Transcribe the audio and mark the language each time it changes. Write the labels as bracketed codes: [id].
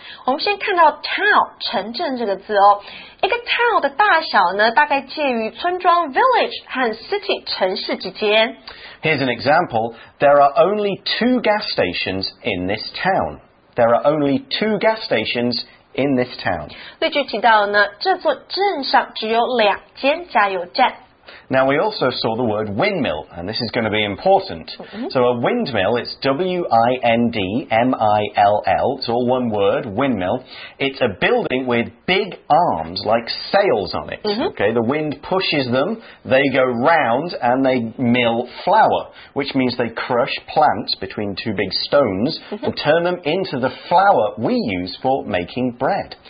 [zh] 我们先看到 town 城镇这个字哦，一个 town 的大小呢，大概介于村庄 village 和 city 城市之间。 [en] Here's an example. There are only two gas stations in this town. There are only two gas stations in this town. [zh] 例句提到呢，这座镇上只有两间加油站。 [en] Now we also saw the word windmill, and this is going to be important. Mm-hmm. So a windmill, it's W-I-N-D-M-I-L-L, it's all one word, windmill. It's a building with big arms, like sails on it. Mm-hmm. Okay, the wind pushes them, they go round, and they mill flour, which means they crush plants between two big stones, mm-hmm. and turn them into the flour we use for making bread.